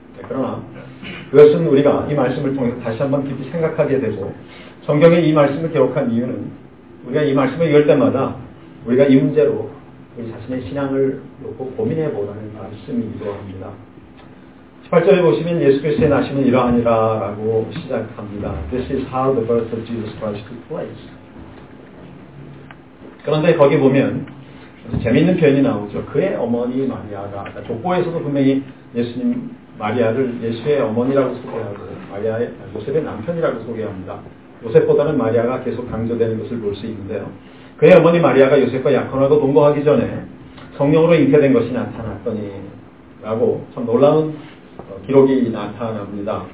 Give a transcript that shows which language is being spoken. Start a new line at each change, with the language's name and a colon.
Korean: 그러나 그것은 우리가 이 말씀을 통해서 다시 한번 깊이 생각하게 되고 성경에 이 말씀을 기록한 이유는 우리가 이 말씀을 읽을 때마다 우리가 이 문제로 우리 자신의 신앙을 놓고 고민해보라는 말씀이기도 합니다. 18절에 보시면 예수 그리스도의 나심은 이러하니라 라고 시작합니다.
English: This is how the birth of Jesus Christ took place.
Korean: 그런데 거기 보면 재미있는 표현이 나오죠. 그의 어머니 마리아가 족보에서도 분명히 예수님 마리아를 예수의 어머니라고 소개하고 마리아의 요셉의 남편이라고 소개합니다. 요셉보다는 마리아가 계속 강조되는 것을 볼 수 있는데요. 그의 어머니 마리아가 요셉과 약혼하고 동거하기 전에 성령으로 잉태된 것이 나타났더니 라고 참 놀라운 기록이 나타납니다.